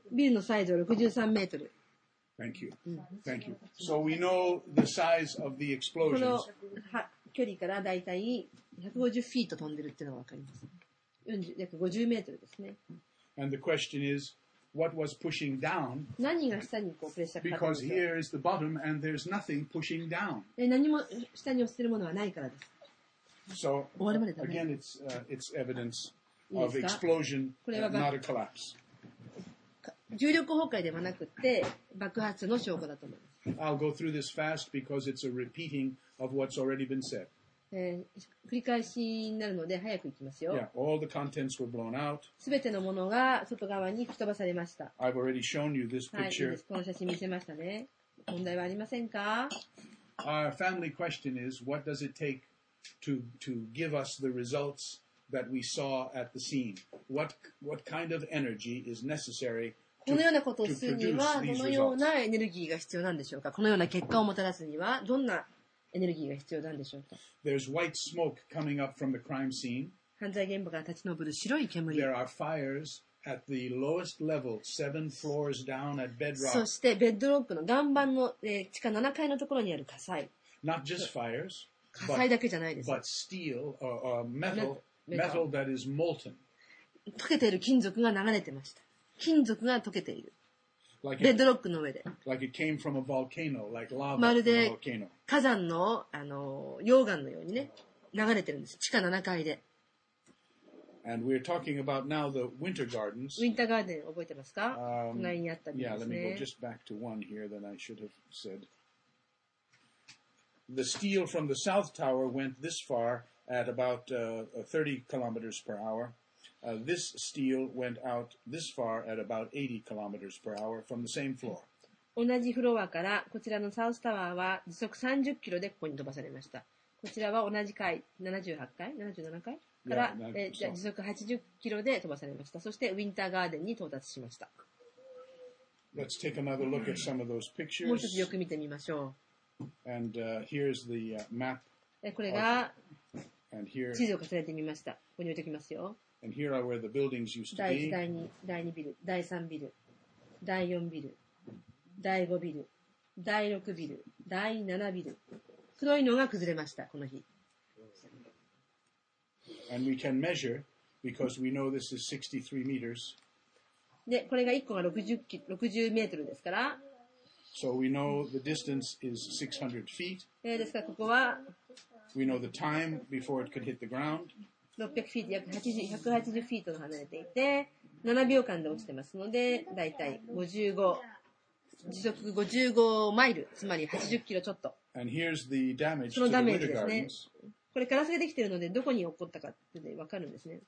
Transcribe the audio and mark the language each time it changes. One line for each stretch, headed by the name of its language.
Japanese: ビルのサイズは63メートル。
English: Thank you. Thank you. So we know the size of the explosions.
Japanese: この距離からだいたい150フィート飛んでるっていうのがわかります。約50メートルですね。
English: And the question is. What was pushing down?
Japanese: 何が下にこうプレッシャーかかる
English: Because here is the bottom and there's nothing pushing down.
Japanese: 何も下に押してるものはないからです。
English: So,
Japanese: 終わるまでだね。
English: Again, it's evidence of explosion, not a collapse.
Japanese: 重力崩壊ではなくて爆発の証拠だと思います。
English: I'll go through this fast because it's a repeating of what's already been said.
Japanese: 繰り返しになるので早くいきますよ。
English: Yeah, all the contents were blown out.
Japanese: 全てのものが外側に吹き飛ばされました。
English: I've already shown you this picture.
Japanese: はい、この写真見せましたね。問題はありませんか？
English: Our family question is, what does it take to give us the results that we saw at the scene? What kind of energy is necessary to produce these results?
Japanese: このようなことをするには、このようなエネルギーが必要なんでしょうか？このような結果をもたらすには、どんなエネルギーが必要なんでしょうか。
English: There's white smoke coming up from the crime scene.
Japanese: 犯罪現場から立ち上る白い煙。
English: There are fires at the lowest level, seven floors down at bedrock.
Japanese: そしてベッドロックの岩盤の地下7階のところにある火災。
English: Not just fires.
Japanese: 火災だけじゃないです。
English: But steel or metal that is molten.
Japanese: 溶けている金属が流れてました。金属が溶けている。ベッドロックの上で。
English: Like it came from a volcano, like lava.
Japanese: まるで火山の、溶岩のようにね、流れてるんです。地下7階で。
English: And we're talking about now the winter gardens.
Japanese: ウィンターガーデン覚えてますか？隣にあったんですね。
English: Yeah, let me go just back to one here that I should have said. The steel from the south tower went this far at about 30 kilometers per hour. This steel went out this far at about 80 kilometers per hour from the same floor.
Japanese: 同じフロアからこちらのサウスタワーは時速30キロでここに飛ばされました。こちらは同じ階、77階から時速80キロで飛ばされました。そしてウィンターガーデンに到達しました。
English: Let's take another look at some of those pictures.
Japanese: もう一つよく見てみましょう。
English: And here's the map.
Japanese: これが地図を重ねてみました。ここに置いておきますよ。
English: And here are where the buildings used to be.
Japanese: 第1、第2ビル、第3ビル、第4ビル、第5ビル、第6ビル、第7ビル。黒いのが崩れました、この日。
English: And we can measure because we know this is 63 meters.
Japanese: で、これが1個が60メートルですから。
English: So we know the distance is 600 feet.
Japanese: ですから、ここは。
English: We know the time before it could hit the ground.
Japanese: 600フィート、約180フィートの離れていて、7秒間で落ちてますので、だいたい時速55マイル、つまり80キロちょっと。
English: And here's the damage
Japanese: そのダメージですね。これ、ガラスができているので、どこに起こったかって分かるんですね。